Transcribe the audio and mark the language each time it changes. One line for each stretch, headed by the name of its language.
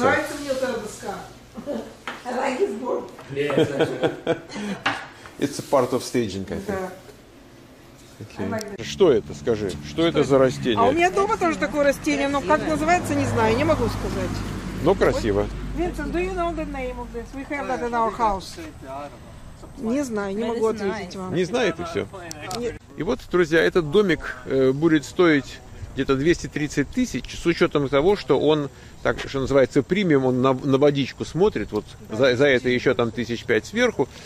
Russian: Ну, нравится мне эта доска.
English: I like his board. It's a part of staging, I think.
Russian: Okay. Что это, скажи? Что это за растение? А у меня дома тоже такое растение, но как называется, не знаю, не могу сказать. Ну, красиво.
English: Винсент, do you know the name of this? We have that in our house.
Russian: Не знаю, не могу ответить вам. Не знает и все. И вот, друзья, этот домик будет стоить где-то 230 тысяч, с учетом того, что он, так что называется, премиум, он на водичку смотрит, вот да, за это еще там 5 сверху.